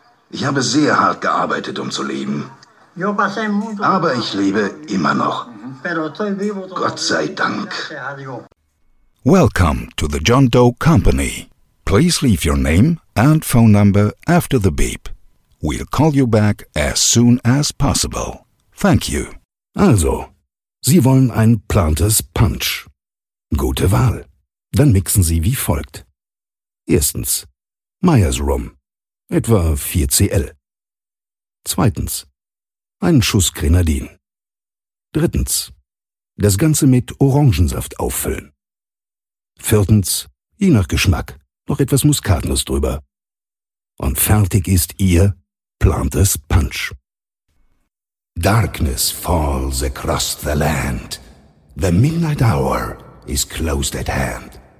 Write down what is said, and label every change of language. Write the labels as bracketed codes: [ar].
[de] Ich habe sehr hart gearbeitet, um zu leben. Aber ich lebe immer noch. Gott sei Dank. [en] Welcome to the John Doe Company. Please leave your name and phone number after the beep. We'll call you back as soon as possible. Thank you. [de] Also, Sie wollen ein plantes Punch. Gute Wahl. Dann mixen Sie wie folgt. Erstens, Myers Rum, etwa 4 cl. Zweitens, ein Schuss Grenadin. Drittens, das Ganze mit Orangensaft auffüllen. Viertens, je nach Geschmack, noch etwas Muskatnuss drüber. Und fertig ist Ihr plantes Punch. [en] Darkness falls across the land. The midnight hour is close at hand.